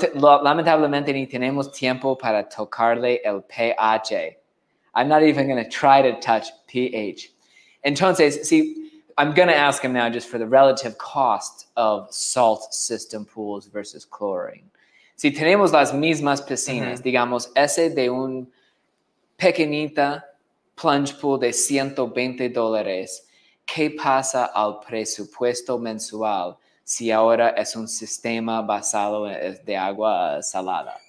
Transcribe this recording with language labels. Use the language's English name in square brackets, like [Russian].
[Spanish] Lamentablemente ni tenemos tiempo para tocarle el pH. [English] I'm not even going to try to touch pH. Entonces, see, I'm going to ask him now just for the relative cost of salt system pools versus chlorine. [Spanish] Si tenemos las mismas piscinas, mm-hmm. digamos, ese de un pequeñita plunge pool de $120, ¿qué pasa al presupuesto mensual si ahora es un sistema basado de agua salada?